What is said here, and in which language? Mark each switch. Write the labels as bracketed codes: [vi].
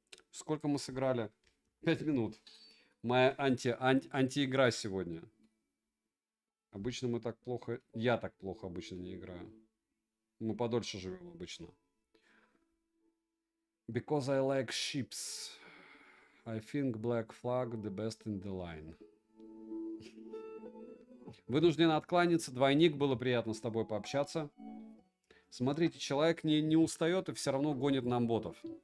[ru] Сколько мы сыграли? 5 минут. Моя антиигра сегодня. Обычно мы так плохо... Я так плохо обычно не играю. Мы подольше живем обычно. [en] Because I like ships. I think Black Flag the best in the line. [ru] Вынужден откланяться. Двойник, было приятно с тобой пообщаться. Смотрите, человек не устает и все равно гонит нам ботов.